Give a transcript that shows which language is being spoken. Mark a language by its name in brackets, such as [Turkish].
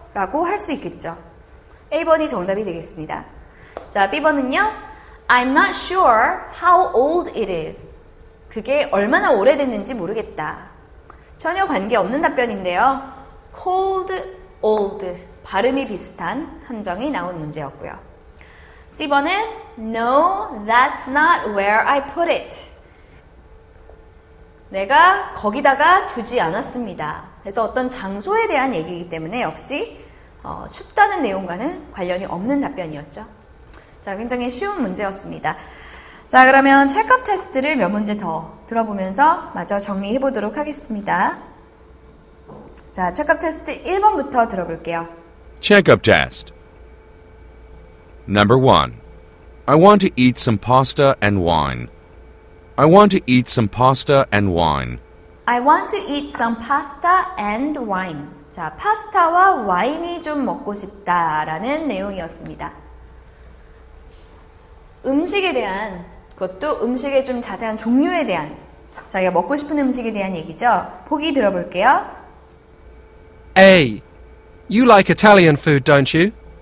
[Korean] 라고 할 수 있겠죠. A번이 정답이 되겠습니다. 자, B번은요. [English] I'm not sure how old it is. [Korean] 그게 얼마나 오래됐는지 모르겠다. 전혀 관계없는 답변인데요. [English] cold, old. [Korean] 발음이 비슷한 함정이 나온 문제였고요. C번은 [English] No, that's not where I put it. [Korean] 내가 거기다가 두지 않았습니다. 그래서 어떤 장소에 대한 얘기이기 때문에 역시 춥다는 내용과는 관련이 없는 답변이었죠. 자, 굉장히 쉬운 문제였습니다. 자, 그러면 체크업 테스트를 몇 문제 더 들어보면서 마저 정리해 보도록 하겠습니다. 자, 체크업 테스트 1번부터 들어볼게요. [English] Check up test. Number 1. I want to eat some pasta and wine. I want to eat some pasta and wine. I want to eat some pasta and wine. [Korean] 자, 파스타와 와인이 좀 먹고 싶다라는 내용이었습니다. 음식에 대한, 그것도 음식의 좀 자세한 종류에 대한, 자기가 먹고 싶은 음식에 대한 얘기죠. 보기 들어볼게요. [English] A. You like Italian food, don't you?